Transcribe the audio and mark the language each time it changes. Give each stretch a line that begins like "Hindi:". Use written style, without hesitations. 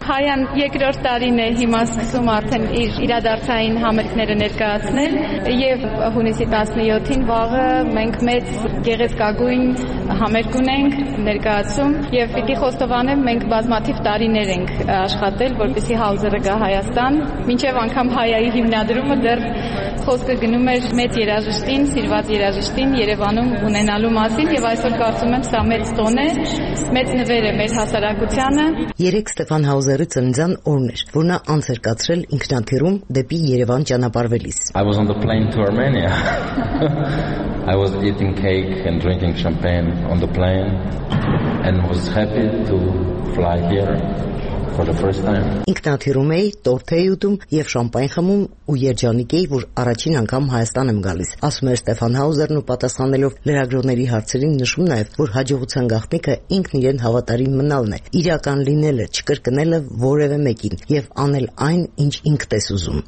Armenian: Հայան երկրորդ տարին է մասնակցում արդեն իր իրադարձային համերգները ներկայացնել եւ հունիսի 17-ին վաղը մենք մեծ գեղեցկագույն համերգ ունենք ներկայացում եւ պիտի խոստովանեմ մենք բազմաթիվ տարիներ ենք աշխատել որպեսի Հաուզերը գա Հայաստան մինչեւ անգամ Հայայի հիմնադրումը դեռ խոսքը գնում էր մեծ երաժշտին սիրված երաժշտին Երևանում ունենալու մասին եւ այսօր կարծում եմ սա մեծ տոն է մեծ նվեր է մեր հասարակությանը երեք Ստեփան Հաուզերի ծննդյան օրն էր որ նա անցերկացրել ինքնաթիռում դեպի Երևան ճանապարհվելիս
English: I was on the plane to Armenia I was eating cake and drinking champagne on the plane and was happy to fly here for the first time
Armenian: Ինքնաթիռում էի տորթ էի ուտում եւ շամպայն խմում ու երջանիկ էի որ առաջին անգամ Հայաստան եմ գալիս ասում է Ստեփան Հաուզերն ու պատասխանելով լրագրողների հարցերին նշում նաեւ որ հաջողության գաղտնիքը ինքն իրեն հավատարիմ մնալն է իրական լինելը չկրկնելը որևէ մեկին եւ անել այն ինչ ինքդես ուզում